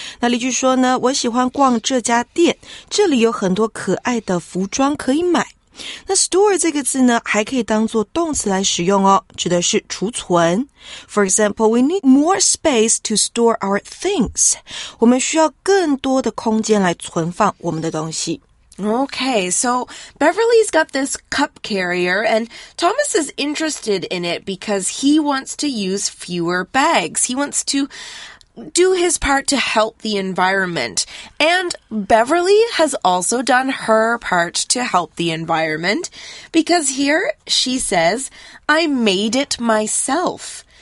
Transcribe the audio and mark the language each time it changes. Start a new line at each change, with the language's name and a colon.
Chinese: 那例句说呢，我喜欢逛这家店，这里有很多可爱的服装可以买。那 store 这个字呢，还可以当作动词来使用哦，指的是储存。
English: For example, we need more space to store our things.
Chinese: 我们需要更多的空间来存放我们的东西。
English: Okay, so Beverly's got this cup carrier and Thomas is interested in it because he wants to use fewer bags. He wants to do his part to help the environment. And Beverly has also done her part to help the environment because here she says, I made it myself.